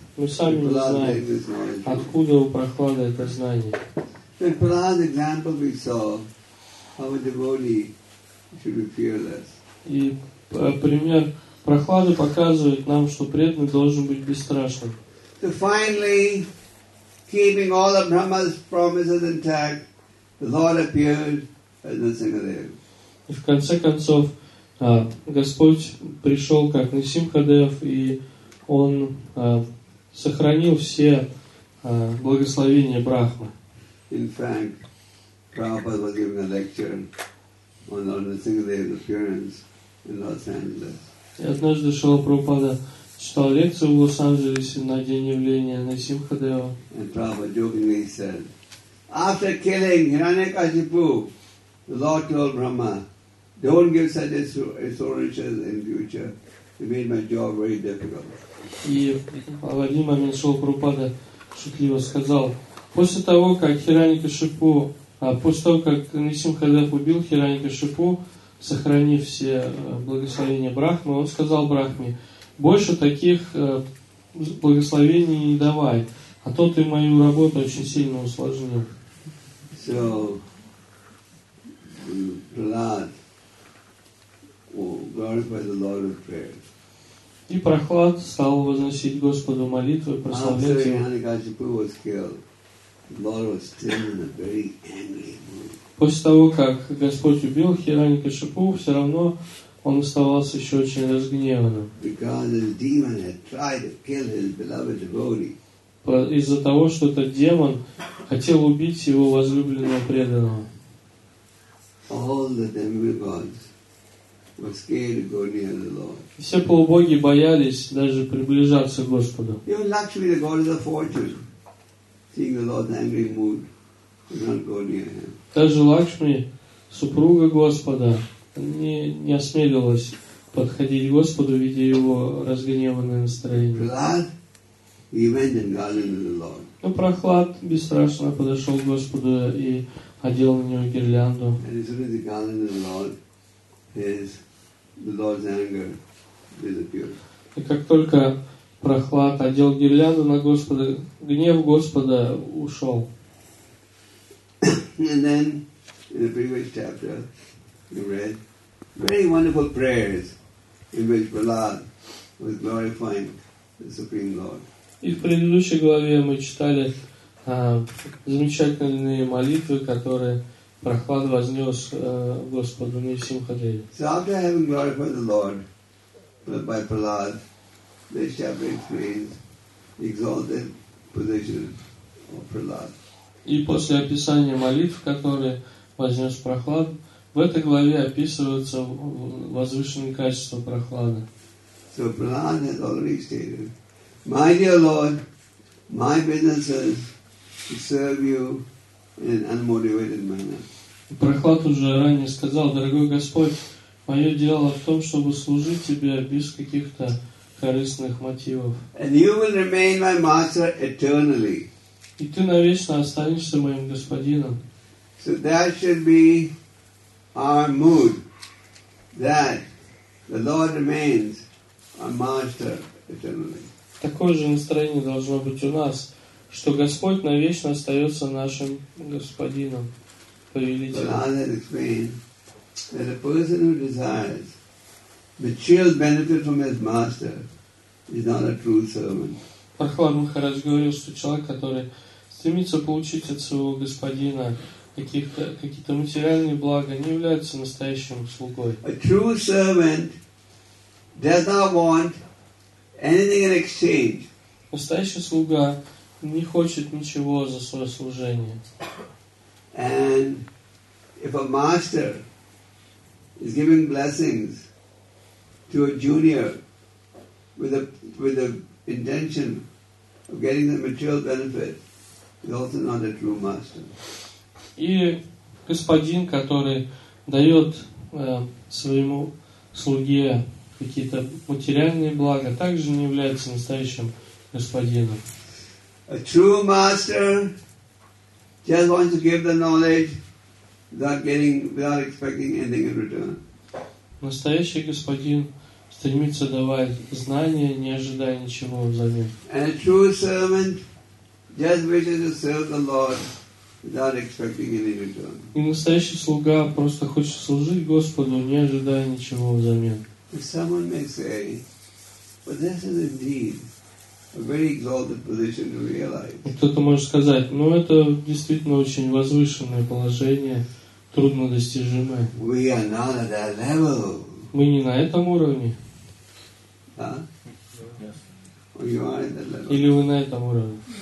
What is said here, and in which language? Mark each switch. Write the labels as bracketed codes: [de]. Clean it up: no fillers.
[ru] Мы сами не знаем, откуда у Прохлады это знание. [en] In Prahlad's example we saw how a devotee should be fearless. [ru] И пример Прохлады показывает нам, что преданный должен быть бесстрашным. [en] So finally, keeping all of Brahma's promises intact, the Lord appeared as Nrisimhadev. [ru] И в конце концов, Господь пришел как Нрисимхадев, и Он сохранил все благословения Брахмы. [en] In fact, Prabhupada was giving a lecture on Lord Nrisimhadev's appearance in Los Angeles. [ru] И однажды Шрила Прабхупада читал лекцию в Лос-Анджелесе на день явления Нрисимхадева. [en] And Prabhupada jokingly said, after killing Hiranyakashipu, the Lord told Brahma, don't give such assurances in future. It made my job very difficult. [ru] И в один момент Шрила Прабхупада шутливо сказал, после того, как Хираньякашипу, после того, как Нрисимхадев убил Хираньякашипу, сохранив все благословения Брахмы, он сказал Брахме, больше таких благословений не давай, а то ты мою работу очень сильно усложнил. [en] So, Prahlad, glorified the Lord of prayer. [ru] И Прохлад стал возносить Господу молитвы, прославлять Его. [en] Lord was still in a very angry mood. [ru] После того, как Господь убил Хираньякашипу, все равно он оставался еще очень разгневанным. [en] Because his demon had tried to kill his beloved devotee. [ru] Из-за того, что этот демон хотел убить его возлюбленного преданного. [en] All the demigods were scared to go near the Lord. [ru] Все полубоги боялись даже приближаться к Господу. [en] Even Lakshmi, the goddess of fortune, seeing the Lord's angry mood, did not go near him. [ru] Даже Лакшми, супруга Господа, не осмелилась подходить к Господу, видя его разгневанное настроение. [en] Prahlad, he went and got into the Lord. [ru] Но Прохлад бесстрашно подошел к Господу и одел на него гирлянду. [en] And as soon as he got into the Lord, the Lord's anger disappeared. [ru] И как только Прохлад одел гирлянду на Господа, гнев Господа ушел. [en] And then, in the previous chapter, we read very wonderful prayers in which Prahlad was glorifying the Supreme Lord. [ru] И в предыдущей главе мы читали замечательные молитвы, которые Прохлад вознес Господу Нрисимхадеве. [en] So after having glorified the Lord by Prahlad, this chapter explains the exalted position of Prahlad. [ru] И после описания молитв, которые вознес Прохлад, в этой главе описываются возвышенные качества Прохлада. [en] So Prahlad has already stated My dear Lord, my business is to serve you in an unmotivated manner. [ru] Прохлад уже ранее сказал, дорогой Господь, мое дело в том, чтобы служить тебе без каких-то корыстных мотивов. [en] And you will remain my master eternally. [ru] И ты навечно останешься моим господином. [en] So that should be our mood, that the Lord remains our master eternally. [ru] Такое же настроение должно быть у нас, что Господь навечно остается нашим господином, повелителем. [en] That a person who desires material benefit from his master is not a true servant. [ru] Прохлад Махарадж говорил, что человек, который стремится получить от своего господина какие-то материальные блага, не является настоящим слугой. [en] A true servant does not want anything in exchange. [ru] Настоящий слуга не хочет ничего за свое служение. [en] And if a master is giving blessings to a junior with the intention of getting the material benefit, he's also not a true master. [ru] И господин, который дает своему слуге какие-то материальные блага, также не является настоящим господином. [en] A true master just wants to give the knowledge without expecting anything in return. [ru] Настоящий господин стремится давать знания, не ожидая ничего взамен. [en] And a true servant just wishes to serve the Lord without expecting anything in return. [ru] И настоящий слуга просто хочет служить Господу, не ожидая ничего взамен. [en] Someone may say, but this is indeed a very exalted position to realize. [ru] Кто-то может сказать, но это действительно очень возвышенное положение. Труднодостижимое. [en] We are not at that level. [ru] Мы не на этом уровне. Да? [en] Yes. You are at that level. [ru] Или вы на этом уровне?